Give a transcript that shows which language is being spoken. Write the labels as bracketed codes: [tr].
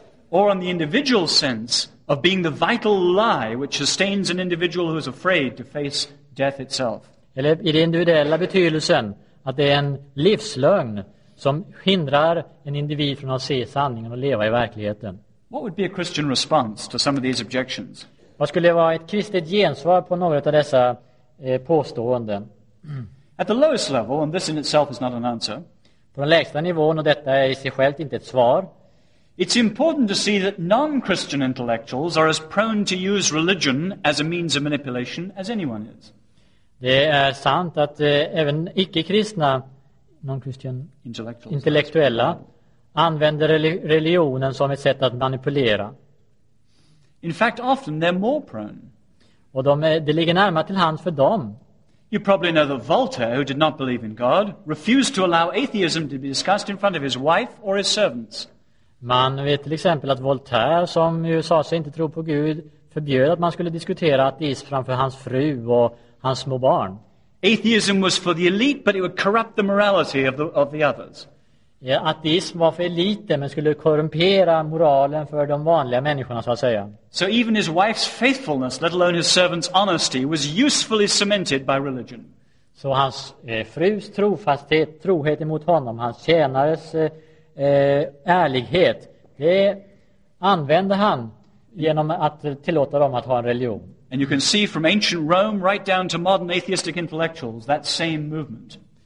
[en] Or on the individual sense of being the vital lie which sustains an individual who is afraid to face death itself. [sv] Eller i den individuella betydelsen att det är en livslögn som hindrar en individ från att se sanningen och leva i verkligheten. [en] What would be a Christian response to some of these objections? [sv] Vad skulle vara ett kristet gensvar på några av dessa påståenden. [en] At the lowest level, and this in itself is not an answer. [sv] På den lägsta nivån, och detta är i sig självt inte ett svar. [en] It's important to see that non-Christian intellectuals are as prone to use religion as a means of manipulation as anyone is. [sv] Det är sant att även icke-kristna, [en] non-Christian [sv] intellektuella, använder religionen som ett sätt att manipulera. [en] In fact, often they're more prone. [sv] Och det ligger närmare till hand för dem. [en] You probably know that Voltaire, who did not believe in God, refused to allow atheism to be discussed in front of his wife or his servants. [sv] Man vet till exempel att Voltaire, som ju sa sig inte tro på Gud, förbjöd att man skulle diskutera ateism framför hans fru och hans små barn. [en] Atheism was for the elite, but it would corrupt the morality of the others. [sv] Ja, ateism var för eliten, men skulle korrumpera moralen för de vanliga människorna, så att säga. [en] So even his wife's faithfulness, let alone his servant's honesty, was usefully cemented by religion. [sv] Så hans frus trofasthet, trohet emot honom, hans tjänares ärlighet, det använde han genom att tillåta dem att ha en religion. [en] And you can see from ancient Rome right down to modern atheistic intellectuals that same movement.